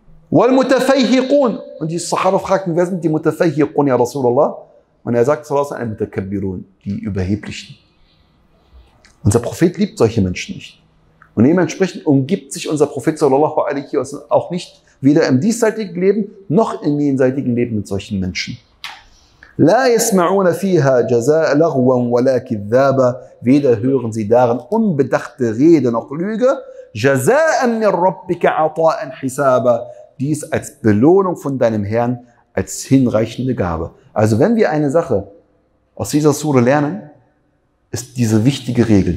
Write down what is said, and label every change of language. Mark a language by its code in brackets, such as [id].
[de] Wal-Mutafayhiqun. Und die Sahara fragten, wer sind die Mutafayhiqun, ja Rasulallah? Und er sagt, Salah sind Mutakabbirun, die Überheblichen. Unser Prophet liebt solche Menschen nicht. Und dementsprechend umgibt sich unser Prophet sallallahu alaihi wa sallam auch nicht, weder im diesseitigen Leben noch im jenseitigen Leben, mit solchen Menschen. [ar] لا يسمعون فيها جزاء لغوا ولا كذابا. [de] Weder hören sie darin unbedachte Rede noch Lüge. [ar] جزاء من ربك عطاء حسابا. [de] Dies als Belohnung von deinem Herrn, als hinreichende Gabe. Also wenn wir eine Sache aus dieser Sure lernen, ist diese wichtige Regel.